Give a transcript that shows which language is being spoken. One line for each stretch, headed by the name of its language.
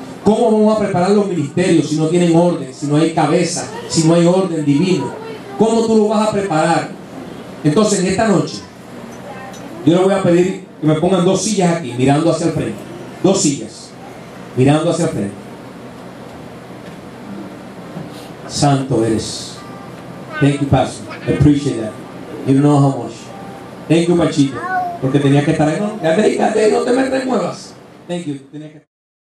Spanish: ¿Cómo vamos a preparar los ministerios si no tienen orden, si no hay cabeza, si no hay orden divino? ¿Cómo tú lo vas a preparar? Entonces, en esta noche, yo le voy a pedir que me pongan dos sillas aquí, mirando hacia el frente. Dos sillas, mirando hacia el frente. Santo eres.
English: Thank you, Pastor. I appreciate that. You know how much. Thank you,
Spanish: machito. Porque tenía que estar ahí. No, ya te dije, no te me remuevas. Thank you. Tenía que...